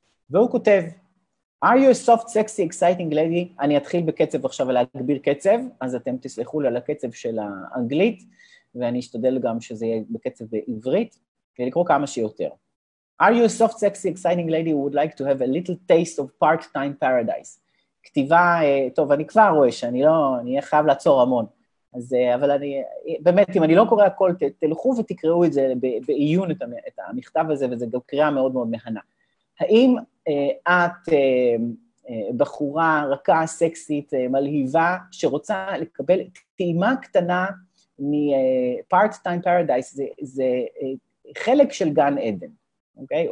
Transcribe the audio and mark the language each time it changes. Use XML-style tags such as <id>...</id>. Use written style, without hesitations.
<he>והוא כותב,</he> <en>are you a soft, sexy, exciting lady?</en> <he>אני אתחיל בקצב עכשיו להגביר קצב, אז אתם תסלחו לי על הקצב של האנגלית, ואני אשתדל גם שזה יהיה בקצב בעברית, כדי לקרוא כמה שיותר.</he> <en>Are you a soft, sexy, exciting lady who would like to have a little taste of part-time paradise?</en> <he>כתיבה, טוב, אני כבר רואה שאני לא, אני חייב לעצור המון, אז, אבל אני, באמת, אם אני לא קורא הכל, תלכו ותקראו את זה בעיון, את המכתב הזה, וזה גם קריאה מאוד מאוד מהנה. האם את בחורה רכה, סקסית, מלהיבה, שרוצה לקבל טעימה קטנה מ-part-time paradise, זה חלק של גן עדן, אוקיי?</he>